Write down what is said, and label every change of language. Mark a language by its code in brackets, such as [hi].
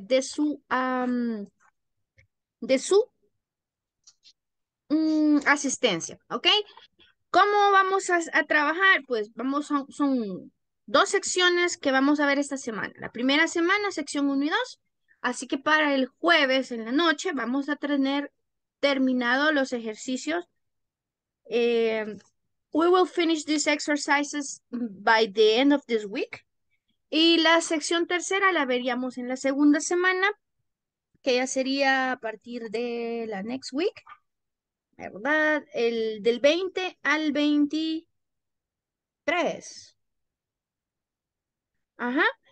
[es] De su asistencia, ¿ok? ¿Cómo vamos a trabajar? Pues son dos secciones que vamos a ver esta semana. La primera semana, sección 1 y 2. Así que para el jueves en la noche vamos a tener terminados los ejercicios. [en] We will finish these exercises by the end of this week. [es] Y la sección tercera la veríamos en la segunda semana, que ya sería a partir de la [en] next week, [es] ¿verdad? El del 20 al 23. Ajá.